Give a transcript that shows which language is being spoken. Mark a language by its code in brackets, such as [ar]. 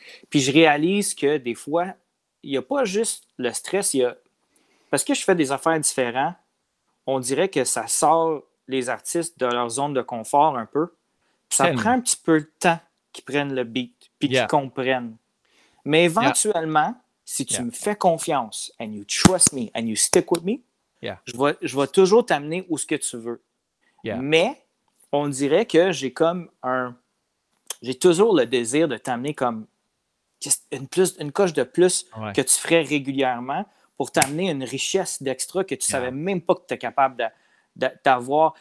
[fr] Puis je réalise que des fois, il n'y a pas juste le stress, il y a. Parce que je fais des affaires différentes, on dirait que ça sort les artistes de leur zone de confort un peu. Ça prend un petit peu de temps qu'ils prennent le beat, puis qu'ils comprennent. Mais éventuellement, si tu me fais confiance [en] and you trust me and you stick with me, yeah. [fr] je vais toujours t'amener où ce que tu veux. [en] Yeah. [fr] Mais on dirait que j'ai comme j'ai toujours le désir de t'amener comme une coche de plus que tu ferais régulièrement pour t'amener une richesse d'extra que tu savais même pas que tu étais capable d'avoir.